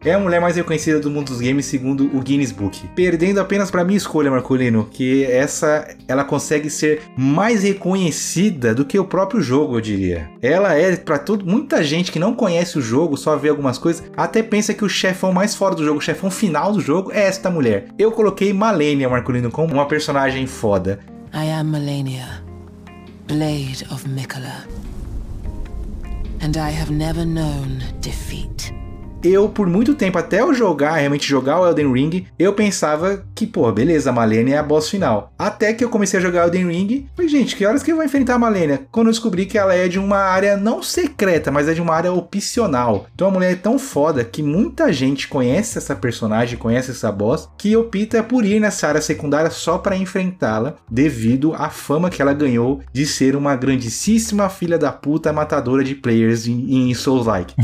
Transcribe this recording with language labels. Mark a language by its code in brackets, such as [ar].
[pt] É a mulher mais reconhecida do mundo dos games, segundo o Guinness Book. Perdendo apenas pra minha escolha, Marculino, que essa, ela consegue ser mais reconhecida do que o próprio jogo, eu diria. Ela é, pra tudo, muita gente que não conhece o jogo, só vê algumas coisas, até pensa que o chefão mais fora do jogo, o chefão final do jogo, é esta mulher. Eu coloquei Malenia, Marculino, como uma personagem foda. [en] I am Malenia, Blade of Mikala. And I have never known defeat. [pt] Eu, por muito tempo, até eu jogar, realmente jogar o Elden Ring, eu pensava que, pô, beleza, a Malenia é a boss final. Até que eu comecei a jogar Elden Ring, falei, gente, que horas que eu vou enfrentar a Malenia? Quando eu descobri que ela é de uma área não secreta, mas é de uma área opcional. Então a mulher é tão foda que muita gente conhece essa personagem, conhece essa boss, que opta por ir nessa área secundária só pra enfrentá-la, devido à fama que ela ganhou de ser uma grandíssima filha da puta matadora de players em Souls-like.